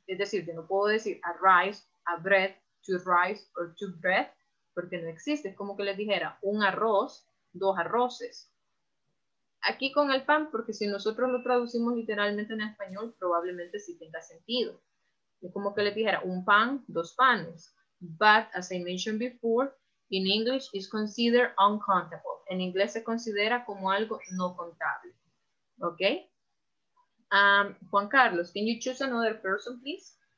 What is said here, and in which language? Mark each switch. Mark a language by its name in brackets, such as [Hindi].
[Spanish] Es decir, yo no puedo decir [English] arise, a bread, to rise, or to bread, [Spanish] porque no existe. Es como que les dijera un arroz, dos arroces. Aquí con el pan, porque si nosotros lo traducimos literalmente en español, probablemente sí tenga sentido. Es como que le dijera un pan, dos panes. [English] But, as I mentioned before, in English is considered uncountable. [Spanish] En inglés se considera como algo no contable. ¿Ok? [English] Juan Carlos, can you choose another person, please?